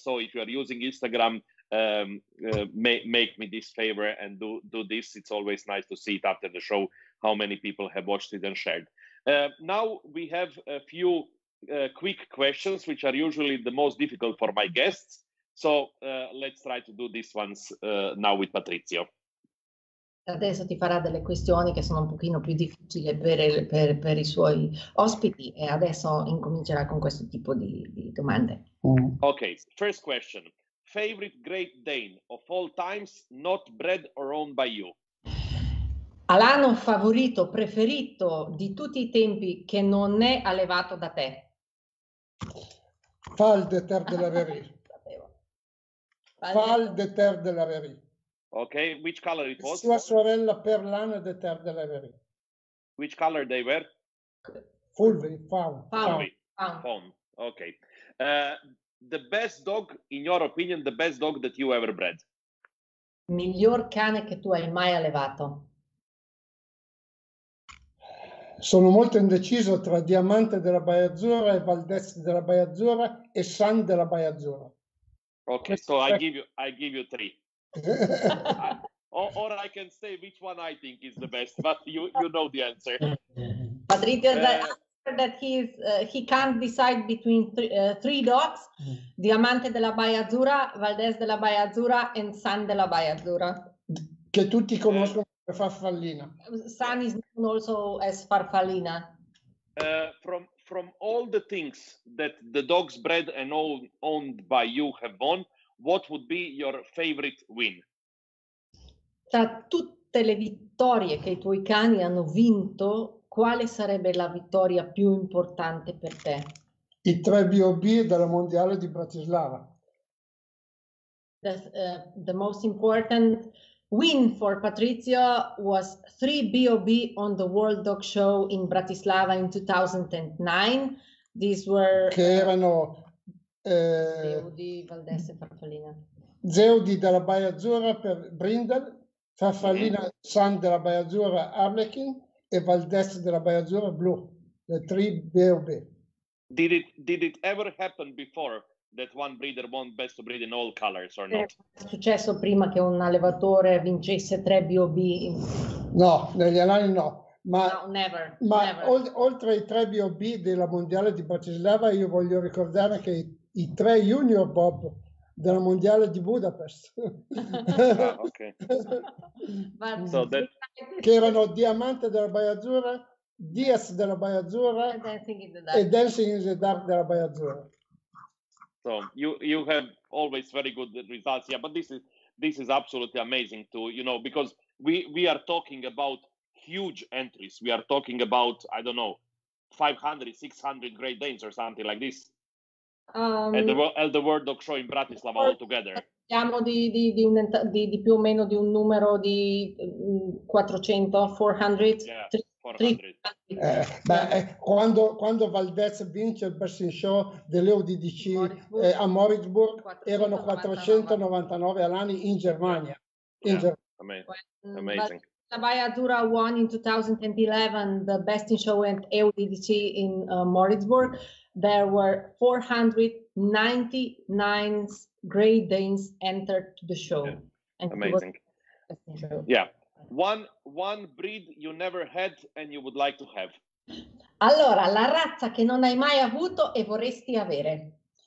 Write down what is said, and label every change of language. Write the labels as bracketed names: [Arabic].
[English] So if you are using Instagram, make me this favor and do this. It's always nice to see it after the show, how many people have watched it and shared. Now we have a few quick questions, which are usually the most difficult for my guests. So let's try to do these ones now with Patrizio. [Italian] Adesso ti farà delle questioni che sono un pochino più difficili per i suoi ospiti, e adesso incomincerà con questo tipo di domande. [English] Okay, first question. favorite Great Dane of all times not bred or owned by you? [Italian] Alano favorito, preferito di tutti i tempi che non è allevato da te? Falderter de la Verrie. Falderter de la Verrie. [English] Ok, which color it was? [Italian] Sua sorella Perlana de Ter de la Verrie. [English] Which color they were? [Italian] Fulvi, Fawn. [English] Fawn. Ok. The best dog, in your opinion, the best dog that you ever bred? [Italian] Miglior cane che tu hai mai allevato? Sono molto indeciso tra Diamante della Baia Azzurra e Valdez della Baia Azzurra e San della Baia Azzurra. [English] Ok, so I give you three. or I can say which one I think is the best, but you know the answer. Patrizio, the answer that he can't decide between three dogs, Diamante della Baia Azzurra, Valdez della Baia Azzurra and San della Baia Azzurra. [Italian] Che tutti conoscono. Farfallina. [English] San is known also as Farfallina. From all the things that the dogs bred and all owned by you have won, what would be your favorite win? [Italian] Tra tutte le vittorie che i tuoi cani hanno vinto, quale sarebbe la vittoria più importante per te? I tre B.O.B. della Mondiale di Bratislava. [English] The most important win for Patrizio was 3 B.O.B. on the World Dog Show in Bratislava in 2009. These were... [Italian] Che erano... Zeudi, Valdez e Farfallina. [English] Zeudi della Baia Azzurra per Brindle, Farfallina, San della Baia Azzurra, Arlequin, e Valdez della Baia Azzurra, Blue, the 3 B.O.B. Did it ever happen before? That one breeder won best of breed in all colors or not? [Italian] È successo prima che un allevatore vincesse 3 B.O.B.? No, negli anni no. Ma, [English] no, never. [Italian] Ma [English] never. [Italian] Oltre ai 3 B.O.B. della Mondiale di Bratislava, io voglio ricordare che i 3 Junior Bob della Mondiale di Budapest. [English] Ah, ok. [Italian] that... Che erano Diamante della Baia Azzurra, Diaz della Baia Azzurra e Dancing in the Dark della Baia Azzurra. [English] So you have always very good results. Yeah, but this is absolutely amazing too, you know, because we are talking about huge entries. We are talking about, I don't know, 500, 600 Great Danes or something like this. At the World Dog Show in Bratislava altogether. [Italian] Siamo di più o meno di un numero di 400, 400. [English] Yeah. 400. [Italian] Quando Valdez vince il Best in Show dell'EUDDC a Moritzburg, erano 499 all'anno in Germania. [English] Amazing. La Baia Azzurra won in 2011 the Best in Show at EUDDC in Moritzburg. There were 499 Great Danes entered the show. Yeah. Amazing. Yeah. One breed you never had and you would like to have. [Italian] Allora, la razza che non hai mai avuto e vorresti avere.